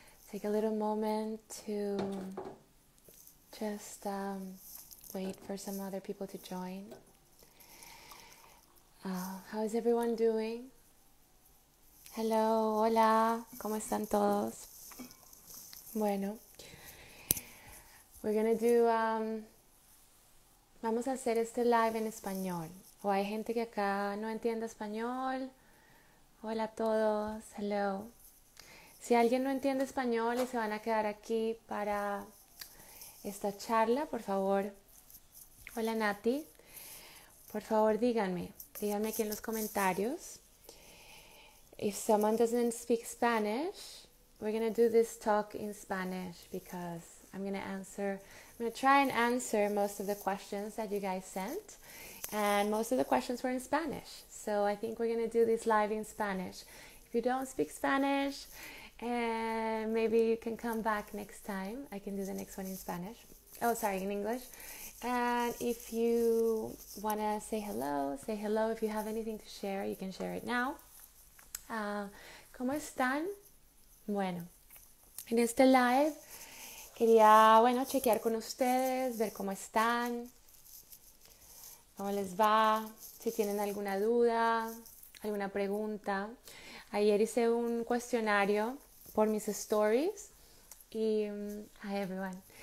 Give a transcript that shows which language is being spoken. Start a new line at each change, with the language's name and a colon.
English: Take a little moment to just wait for some other people to join. How is everyone doing?
Spanish: Hello, hola, ¿cómo están todos? Bueno, vamos a hacer este live en español. O hay gente que acá no entiende español. Hola a todos, hello. Si alguien no entiende español y se van a quedar aquí para esta charla, por favor. Hola Nati, por favor díganme aquí en los comentarios.
English: If someone doesn't speak Spanish, we're gonna do this talk in Spanish because I'm gonna try and answer most of the questions that you guys sent, and most of the questions were in Spanish. So I think we're gonna do this live in Spanish. If you don't speak Spanish, maybe you can come back next time. I can do the next one in Spanish. Oh, sorry, in English. And if you wanna say hello. If you have anything to share, you can share it now.
Spanish: ¿Cómo están? Bueno, en este live quería, bueno, chequear con ustedes, ver cómo están, cómo les va, si tienen alguna duda, alguna pregunta. Ayer hice un cuestionario por mis stories y
English: hi everyone.